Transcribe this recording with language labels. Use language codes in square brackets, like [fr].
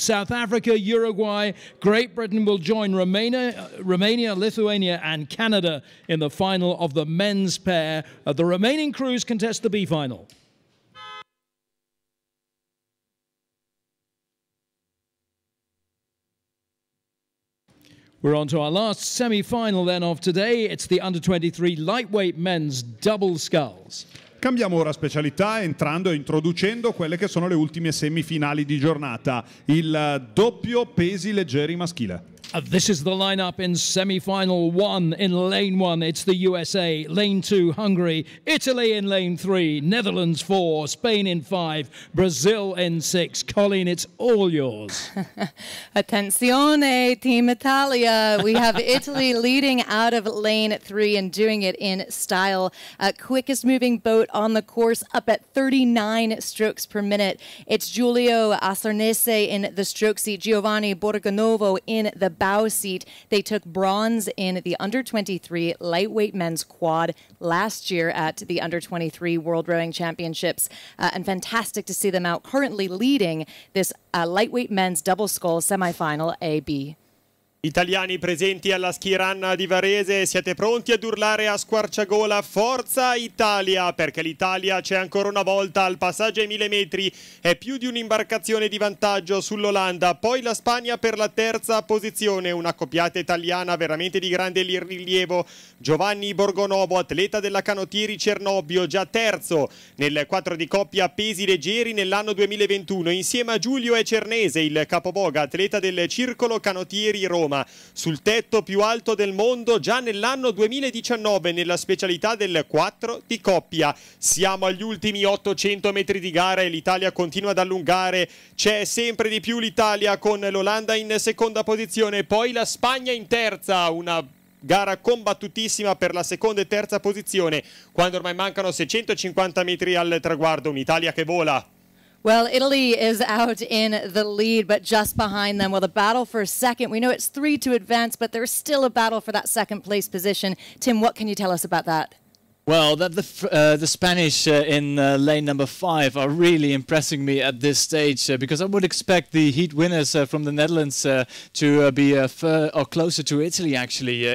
[en] South Africa, Uruguay, Great Britain will join Romania, Lithuania and Canada in the final of the men's pair. The remaining crews contest the B final. We're on to our last semi-final then of today. It's the under-23 lightweight men's double sculls. [it] Cambiamo ora specialità entrando e introducendo quelle che sono le ultime semifinali di giornata. Il doppio pesi leggeri maschile. [en] This is the lineup in semi-final one. In lane one, it's the USA. Lane two, Hungary. Italy in lane three. Netherlands four. Spain in five. Brazil in six. Colleen, it's all yours. [it] Attenzione, [en] Team Italia. We have Italy leading out of lane three and doing it in style. Quickest moving boat on the course, up at 39 strokes per minute. It's Giulio Asernese in the stroke seat. Giovanni Borgonovo in the bow seat. They took bronze in the under-23 lightweight men's quad last year at the under-23 World Rowing Championships, and fantastic to see them out currently leading this lightweight men's double scull semifinal AB. [it] Italiani presenti alla ski run di Varese, siete pronti ad urlare a squarciagola Forza Italia, perché l'Italia c'è ancora una volta al passaggio ai 1000 metri, è più di un'imbarcazione di vantaggio sull'Olanda, poi la Spagna per la terza posizione, una coppiata italiana veramente di grande rilievo. Giovanni Borgonovo, atleta della Canottieri Cernobbio, già terzo nel quattro di coppia pesi leggeri nell'anno 2021, insieme a Giulio Ecernese, il capoboga, atleta del circolo Canottieri Roma, sul tetto più alto del mondo già nell'anno 2019 nella specialità del 4 di coppia. Siamo agli ultimi 800 metri di gara e l'Italia continua ad allungare, c'è sempre di più l'Italia con l'Olanda in seconda posizione, poi la Spagna in terza, una gara combattutissima per la seconda e terza posizione quando ormai mancano 650 metri al traguardo, un'Italia che vola. [en] Well, Italy is out in the lead, but just behind them. Well, the battle for second, we know it's three to advance, but there's still a battle for that second place position. Tim, what can you tell us about that? Well, that the Spanish in lane number five are really impressing me at this stage, because I would expect the heat winners from the Netherlands to be closer to Italy, actually.